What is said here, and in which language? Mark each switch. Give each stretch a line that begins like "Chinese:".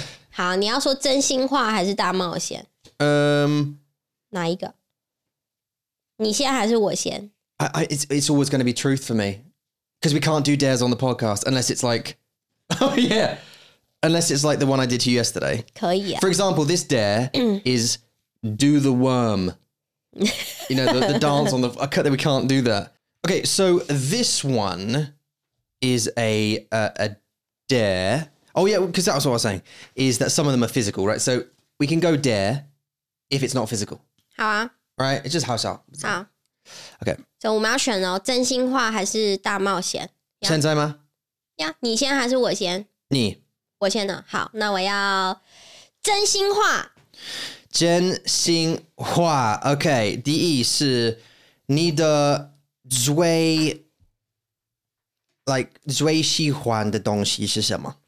Chinese: 好，你要说真心话还是大冒险？哪一个？你先还是我先?
English: It's always going to be truth for me. Because we can't do dares on the podcast unless it's like... Oh, yeah. Unless it's like the one I did to you yesterday.
Chinese: 可以啊。
English: For example, this dare is do the worm. You know, the dance on the... I cut that we can't do that. Okay, so this one is a dare. Oh, yeah, because that was what I was saying. Is that some of them are physical, right? So we can go dare if it's not physical.
Chinese: 好啊。
English: Right, it's just house out. So. Okay. So
Chinese: 我们要选哦，真心话还是大冒险？现在吗？呀，你先还是我先？你，我先呢。好，那我要真心话。真心话 ，
English: OK。
Chinese: 第一是你的最 ，
English: like
Chinese: 最喜欢的东西是什么？